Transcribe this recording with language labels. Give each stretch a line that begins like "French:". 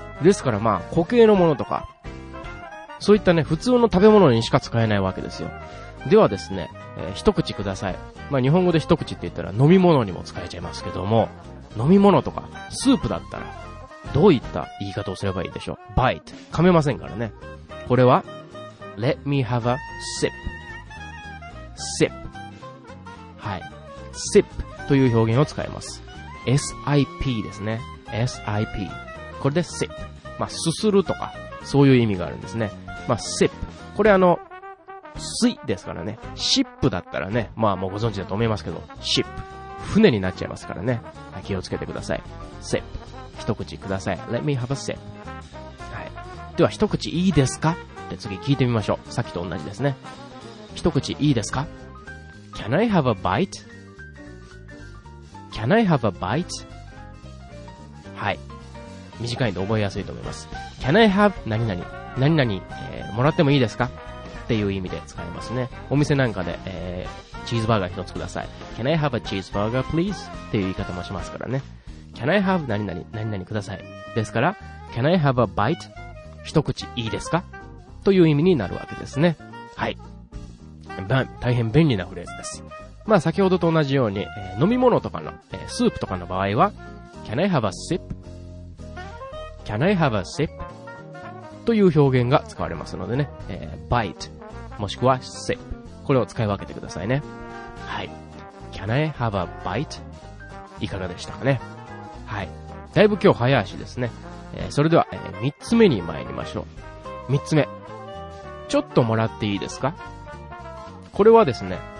Japanese: ですからまあ固形のものとかそういったね、普通の食べ物にしか使えないわけですよ。ではですね、一口ください、まあ日本語で一口って言ったら飲み物にも使えちゃいますけども、飲み物とかスープだったらどういった言い方をすればいいでしょう。 bite、 噛めませんからね。これは
English: Let me have a sip。
Japanese: sip、 はい、 sip という表現を使います。 SIP ですね。SIP。 これで sip。まあ、すするとか、そういう意味があるんですね。まあ、sip。これ水ですからね。 ship だったらね、まあ、もうご存知だと思いますけど、ship。船になっちゃいますからね。はい、気をつけてください。
English: sip。
Japanese: 一口ください。
English: Let me have a sip。 はい。
Japanese: では、一口いいですか? で、次聞いてみましょう。さっきと同じですね。一口いいですか
English: ?Can I have a bite? Can I have a bite?
Japanese: はい、短いので覚えやすいと思います。
English: Can I have
Japanese: 何々、何々、もらってもいいですかっていう意味で使えますね。お店なんかで、チーズバーガー一つください。
English: Can I have a cheeseburger please?
Japanese: っていう言い方もしますからね。
English: Can I have
Japanese: 何々、何々ください。ですから
English: Can I have a bite?
Japanese: 一口いいですかという意味になるわけですね。はい、大変便利なフレーズです。まあ先ほどと同じように、飲み物とかの、スープとかの場合は
English: Can I have a sip? Can I have a sip?
Japanese: という表現が使われますのでね、bite もしくは sip、 これを使い分けてくださいね。
English: はい、 Can I have a bite?
Japanese: いかがでしたかね。はい、だいぶ今日早足ですね。それでは、3つ目に参りましょう。 3つ目、ちょっともらっていいですか。これはですね、